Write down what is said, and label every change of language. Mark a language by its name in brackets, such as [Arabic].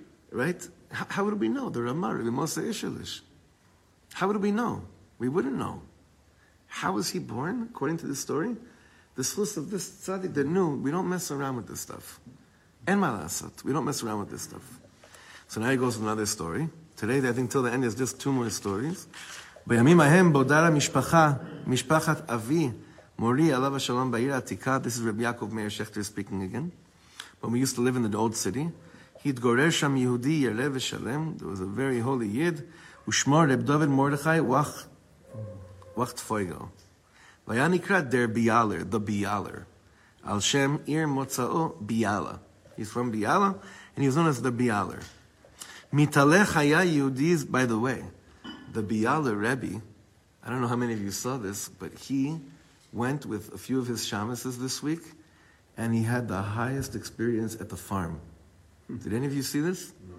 [English] Right? How would we know? The Rama, Rabbi Moshe Ishelish. How would we know? We wouldn't know. How was he born, according to this story? The source of this tzaddik that knew, we don't mess around with this stuff. And Malasat, we don't mess around with this stuff. So now he goes to another story. Today, I think till the end, there's just two more stories. [Hebrew] בימים ההם בודרה משפחה, משפחת אבי, מורי, עליו השלום בעיר העתיקה, [English] this is Rabbi Yaakov Meir Shechter speaking again, when we used to live in the old city, [Hebrew] התגורר שם יהודי ירא ושלם, [English] there was a very holy yid, [Hebrew] ושמו רב דוד מורדכי וחט פויגו. והיה נקרא דר ביאלר, the ביאלר, על שם עיר מוצאו ביאלה. [English] He's from ביאלה, and he's known as the ביאלר. [Hebrew] מתהלך היה יהודי, [English] by the way, the Biala Rebbe, I don't know how many of you saw this, but he went with a few of his shamases this week, and he had the highest experience at the farm. Did any of you see this?